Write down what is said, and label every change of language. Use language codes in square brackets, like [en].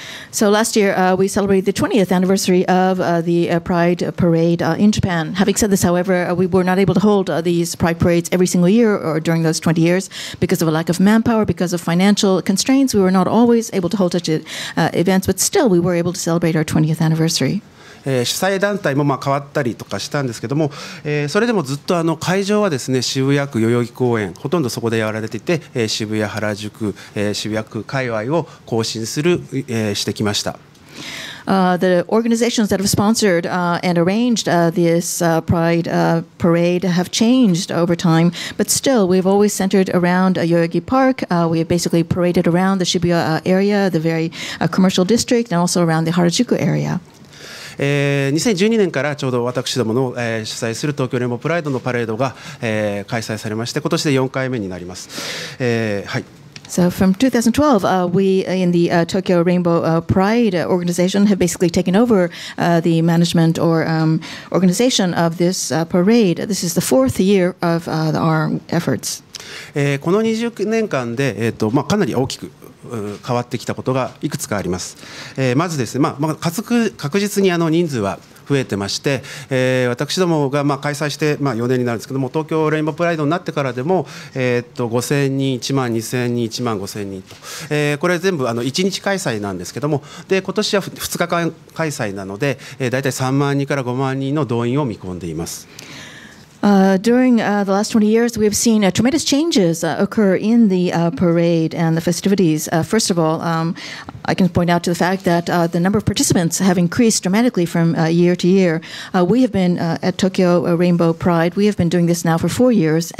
[en] So last year, we celebrated the 20th anniversary of the Pride Parade in Japan. Having said this, however, we were not able to hold these Pride Parades every single year or during those 20 years because of a lack of manpower, because of financial constraints. We were not always able to hold such events, but still we were able to celebrate our 20th anniversary. [ja] 主催団体もまあ変わったりとかしたんですけども、それでもずっと会場はですね、渋谷区代々木公園、ほとんどそこでやられていて、渋谷原宿、渋谷区界隈を行進する、してきました。 [en] the organizations that have sponsored and arranged this Pride parade have changed over time, but still we've always centered around Yoyogi Park. We have basically paraded around the Shibuya area, the very commercial district, and also around the Harajuku area. [ja] 2012年からちょうど私どもの、主催する東京レインボープライドのパレードが、開催されまして、今年で4回目になります。はい。 [en] So from 2012, we in the Tokyo Rainbow Pride organization have basically taken over the management or organization of this parade. This is the fourth year of our efforts. [ja] この20年間で、まあ、かなり大きく変わってきたことがいくつかあります。まずですね、まあ、確実にあの人数は増えてまして、私どもがまあ開催してまあ4年になるんですけども、東京レインボープライドになってからでも、5000人、1万2000人、1万5000人と、これは全部あの1日開催なんですけども、で今年は2日間開催なので、だいたい3万人から5万人の動員を見込んでいます。 [en] During the last 20 years, we have seen tremendous changes occur in the parade and the festivities. First of all, I can point out to the fact that the number of participants have increased dramatically from year to year. We have been at Tokyo Rainbow Pride. We have been doing this now for 4 years.